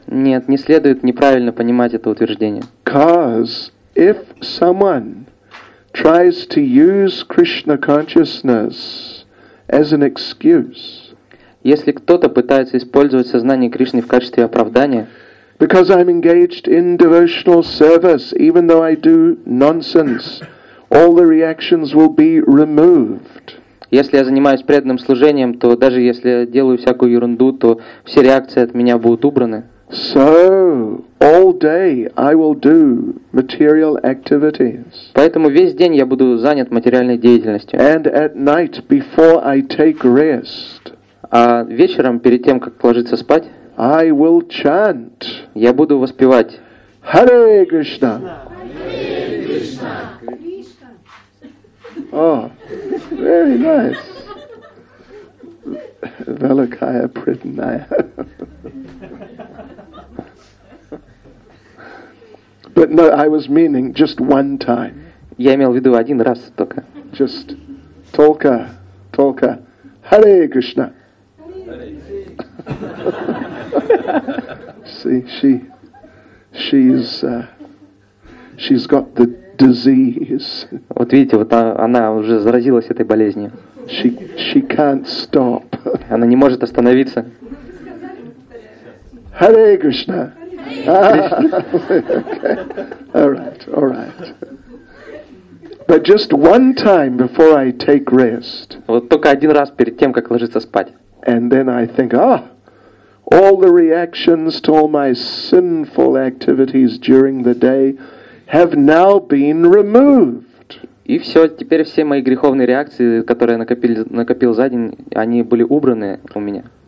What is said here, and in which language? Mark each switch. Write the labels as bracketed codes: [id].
[ru] Нет, не следует неправильно понимать это утверждение. [en] Because if someone tries to use Krishna consciousness as an excuse, [ru] если кто-то пытается использовать сознание Кришны в качестве оправдания, [en] because I'm engaged in devotional service, even though I do nonsense, all the reactions will be removed. [ru] Если я занимаюсь преданным служением, то даже если я делаю всякую ерунду, то все реакции от меня будут убраны. [en] So, all day I will do material activities. [ru] Поэтому весь день я буду занят материальной деятельностью. [en] And at night, before I take rest, [ru] а вечером, перед тем, как ложиться спать, [en] I will chant. [ru] Я буду воспевать. [en] Hare Krishna. Oh, very nice. [ru] Velikaya Pritnaya. [en] But no, I was meaning just one time. [ru] Я имел в виду один раз только. [en] Just [ru] tolka, tolka. [en] Hare Krishna. See, she's got the disease. [ru] Вот видите, вот она уже заразилась этой болезнью. [en] She can't stop. [ru] Она не может остановиться. [en] Hare Krishna. Okay. All right. But just one time before I take rest. [ru] Вот только один раз перед тем, как ложиться спать. [en] And then I think, ah, all the reactions to all my sinful activities during the day have now been removed. [ru] И все, теперь все мои греховные реакции, которые я накопил за день, они были убраны у меня.